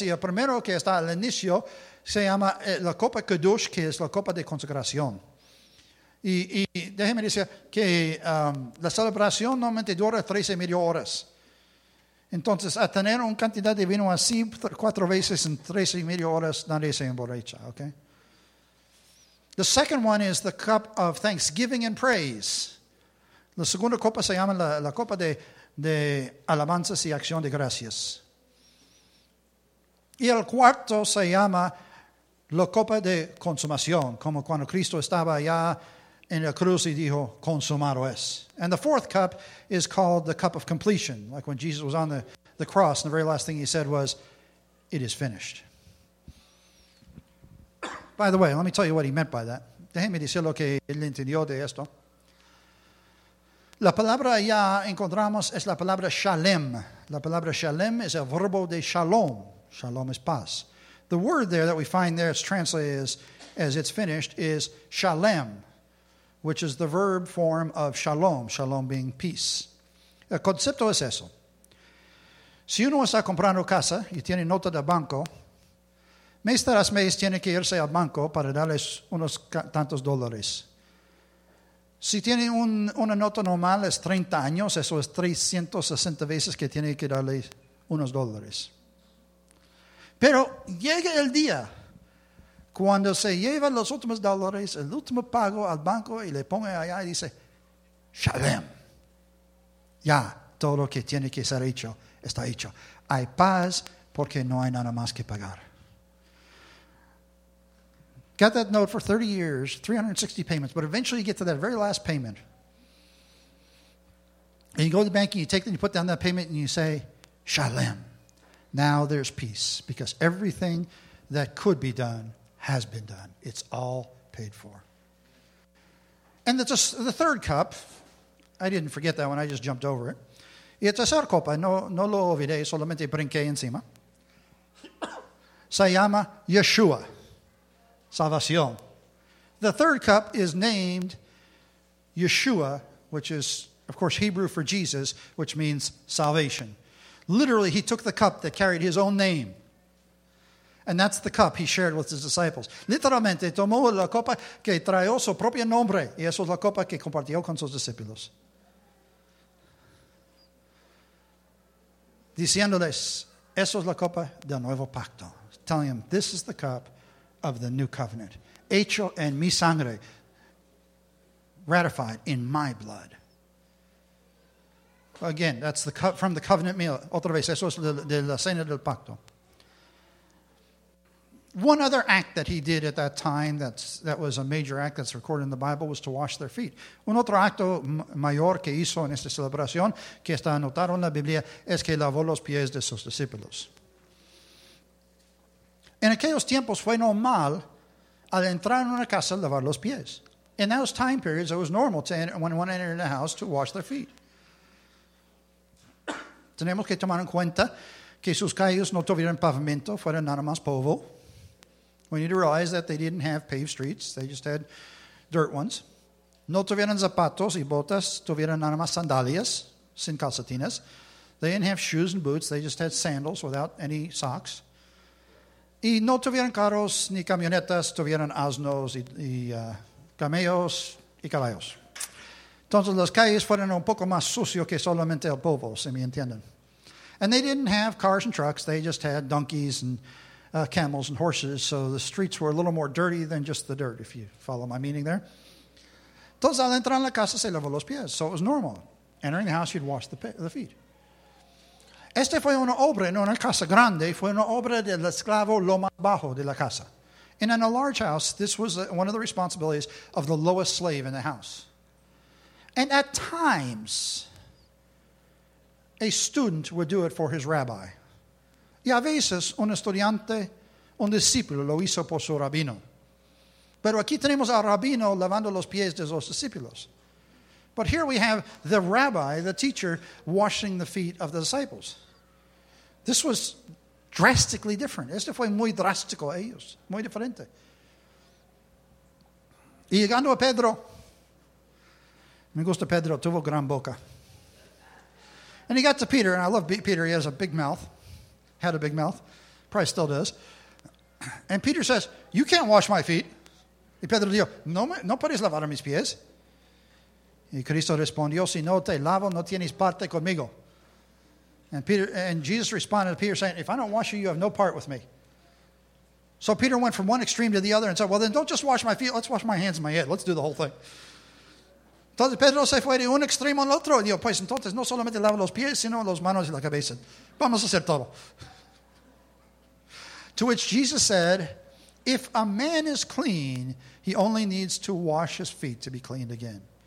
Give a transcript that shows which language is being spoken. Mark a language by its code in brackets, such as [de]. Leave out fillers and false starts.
[es] Y el primero que está al inicio se llama la copa Kiddush, que es la copa de consagración. Y déjeme decir que la celebración normalmente dura 3.5 horas. Entonces, a tener una cantidad de vino así cuatro veces en 3.5 horas, nadie se emborracha, okay? [en] The second one is the cup of thanksgiving and praise. [es] La segunda copa se llama la copa de alabanzas y acción de gracias. Y el cuarto se llama la copa de consumación, como cuando Cristo estaba allá en la cruz y dijo, consumado es. [en] And the fourth cup is called the cup of completion, like when Jesus was on the cross, and the very last thing he said was, it is finished. By the way, let me tell you what he meant by that. [es] Déjeme decir lo que él entendió de esto. La palabra ya encontramos es la palabra shalem. La palabra shalem es el verbo de shalom. Shalom is paz. [en] The word there that we find there, it's translated as it's finished, is shalem, which is the verb form of shalom, shalom being peace. [es] El concepto es eso. Si uno está comprando casa y tiene nota de banco, mes tras mes tiene que irse al banco para darles unos tantos dólares. Si tiene una nota normal, es 30 años, eso es 360 veces que tiene que darles unos dólares. Pero llega el día cuando se lleva los últimos dólares, el último pago al banco y le pone allá y dice, Shalem. Ya, todo lo que tiene que ser hecho, está hecho. Hay paz porque no hay nada más que pagar. [en] Got that note for 30 years, 360 payments, but eventually you get to that very last payment. And you go to the bank and you take them, you put down that payment and you say, Shalem. Now there's peace because everything that could be done has been done. It's all paid for. And the third cup, I didn't forget that one, I just jumped over it. [es] Y el tercer copa, no lo olvidé, solamente brinqué encima. Se llama Yeshua, salvación. [en] The third cup is named Yeshua, which is, of course, Hebrew for Jesus, which means salvation. Literally, he took the cup that carried his own name. And that's the cup he shared with his disciples. [es] Literalmente, tomó la copa que trajo su propio nombre. Y eso es la copa que compartió con sus discípulos. Diciéndoles, eso es la copa del nuevo pacto. [en] Telling him, this is the cup of the new covenant. [es] Hecho en mi sangre. [en] Ratified in my blood. Again, that's the cup from the covenant meal. [es] Otra vez, eso es de la cena del pacto. [en] One other act that he did at that time that was a major act that's recorded in the Bible was to wash their feet. [es] Un otro acto mayor que hizo en esta celebración que está anotado en la Biblia es que lavó los pies de sus discípulos. En aquellos tiempos fue normal al entrar en una casa lavar los pies. [en] In those time periods, it was normal when one entered a house to wash their feet. [es] Tenemos que tomar en cuenta que sus calles no tuvieron pavimento, fueron nada más polvo. [en] We need to realize that they didn't have paved streets. They just had dirt ones. [es] No tuvieron zapatos y botas. Tuvieron nada más sandalias, sin calcetines. [en] They didn't have shoes and boots. They just had sandals without any socks. [es] Y no tuvieron carros ni camionetas. Tuvieron asnos y camellos y caballos. Entonces, las calles fueron un poco más sucio que solamente el polvo, si me entienden. [en] And they didn't have cars and trucks. They just had donkeys and camels and horses, so the streets were a little more dirty than just the dirt, if you follow my meaning there. [es] Entonces, al entrar en la casa, se lavó los pies. [en] So it was normal. Entering the house, you'd wash the feet. [es] Este fue una obra, no una casa grande, fue una obra del esclavo lo más bajo de la casa. [en] And in a large house, this was one of the responsibilities of the lowest slave in the house. And at times, a student would do it for his rabbi. [es] Y a veces, un estudiante, un discípulo, lo hizo por su rabino. Pero aquí tenemos al rabino lavando los pies de los discípulos. [en] But here we have the rabbi, the teacher, washing the feet of the disciples. This was drastically different. [es] Esto fue muy drástico a ellos, muy diferente. Y llegando a Pedro, me gusta Pedro, tuvo gran boca. [en] And he got to Peter, and I love Peter, he has a big mouth. Had a big mouth, probably still does. And Peter says, "You can't wash my feet." [es] Y Pedro dijo, "No puedes lavar mis pies." Y Cristo respondió, "Si no te lavo, no tienes parte conmigo." [en] And Jesus responded to Peter saying, "If I don't wash you, you have no part with me." So Peter went from one extreme to the other and said, "Well, then don't just wash my feet. Let's wash my hands and my head. Let's do the whole thing." [es] Entonces Pedro se fue de un extremo al otro. Y dijo, pues entonces no solamente lava los pies, sino las manos y la cabeza. Vamos a hacer todo. [en] To which Jesus said, if a man is clean, he only needs to wash his feet to be cleaned again.